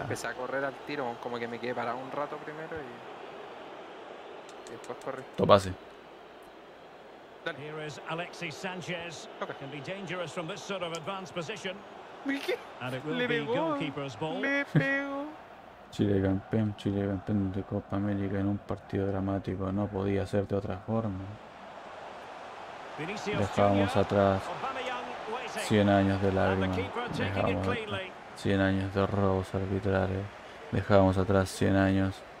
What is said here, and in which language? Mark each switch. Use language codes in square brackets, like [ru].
[es] Empecé a correr al tiro, como que me quedé parado un rato primero y después corrí. Todo pase. [en] Dale. Here is Alexis Sanchez. Okay. Can be dangerous from this sort of advanced position. [es] ¿Qué? Le pegó. Le pegó. Chile campeón de Copa América en un partido dramático. No podía ser de otra forma. Dejábamos atrás 100 años de lágrimas. Dejábamos atrás 100 años de robos arbitrales. Dejábamos atrás 100 años